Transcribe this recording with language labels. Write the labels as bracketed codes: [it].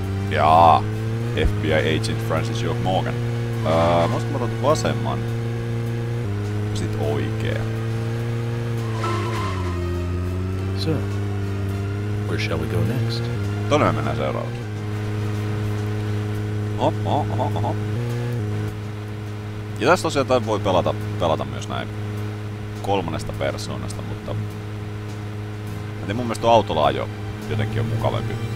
[fi] Jaa, FBI agent Francis York Morgan. Voisinko mä otan vasemman? Sit oikee. [en] So, where shall we go next? [fi] Tonne mennään seuraavaksi. Oho. Ja tässä tosiaan tämän voi pelata myös näin kolmannesta persoonasta, mutta... Eli mun mielestä autolla ajo jotenkin on mukavampi.